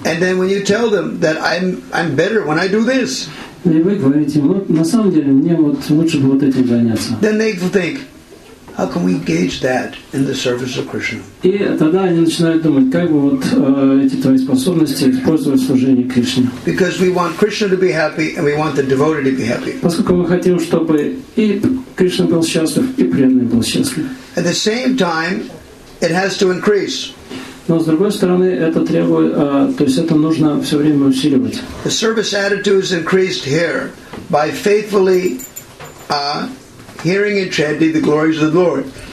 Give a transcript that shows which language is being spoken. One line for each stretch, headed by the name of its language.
English: And then when you tell them that I'm better when I do this.
Russian: И вы говорите, ну, на самом деле, мне вот лучше бы вот этим заняться.
English: Then they think, how can we engage that in the service of Krishna?
Russian: И тогда они начинают думать, как бы вот эти твои способности использовать в служении Кришне.
English: Because we want Krishna to be happy and we want the devotee to be happy.
Russian: Поскольку мы хотим, чтобы и Кришна был счастлив, и преданный был счастлив.
English: At the same time, it has to increase.
Russian: Но с другой стороны, это требует, то есть это нужно все время усиливать.
English: The service attitude is increased here by faithfully hearing and chanting the glories of the Lord.